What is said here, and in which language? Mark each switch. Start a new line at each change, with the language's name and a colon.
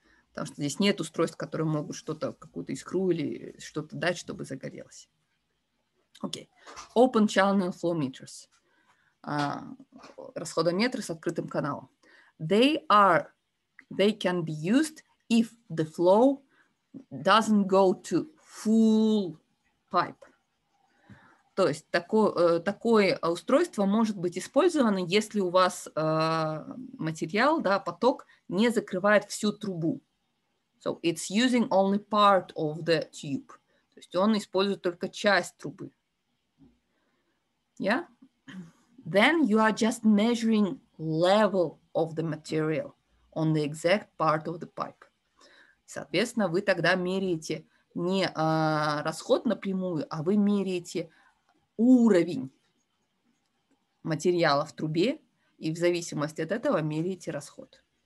Russian: Потому что здесь нет устройств, которые могут что-то, какую-то искру или что-то дать, чтобы загорелось.
English: Окей. Okay. Open channel flow meters.
Russian: Расходометры с открытым каналом.
English: They can be used if the flow doesn't go to full pipe.
Russian: То есть такое устройство может быть использовано, если у вас материал, да, поток не закрывает всю трубу.
English: So it's using only part of the tube.
Russian: То есть он использует только часть трубы.
English: Yeah? Then you are just measuring level of the material on the exact part of the pipe.
Russian: Соответственно, вы тогда меряете не расход напрямую, а вы меряете уровень материала в трубе и в зависимости от этого меряете расход.